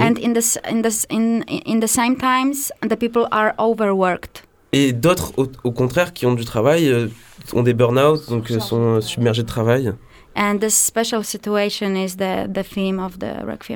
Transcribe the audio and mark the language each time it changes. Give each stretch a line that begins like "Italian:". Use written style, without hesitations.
English: And in the same times, the people are overworked.
French: Et d'autres, au contraire, qui ont du travail, ont des burn-out, donc sont submergés de travail.
English: And this special situation is the theme of the Requiem Machine.